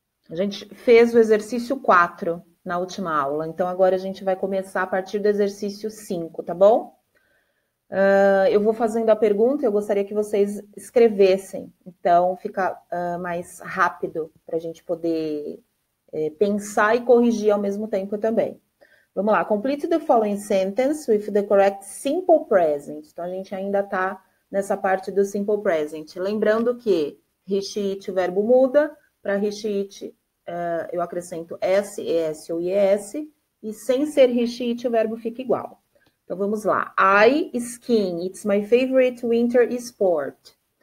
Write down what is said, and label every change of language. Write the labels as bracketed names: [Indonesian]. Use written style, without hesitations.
[Portuguese] A gente fez o exercício 4 na última aula, então agora a gente vai começar a partir do exercício 5, tá bom? Eu vou fazendo a pergunta, eu gostaria que vocês escrevessem, então fica mais rápido para a gente poder pensar e corrigir ao mesmo tempo também. Vamos lá, [English] complete the following sentence with the correct simple present. [Portuguese] Então, a gente ainda está nessa parte do simple present. Lembrando que he, she, it, o verbo muda. Para he, she, it, eu acrescento s, es ou es. E sem ser he, she, it, o verbo fica igual. Então, vamos lá. [English] I skiing. It's my favorite winter sport.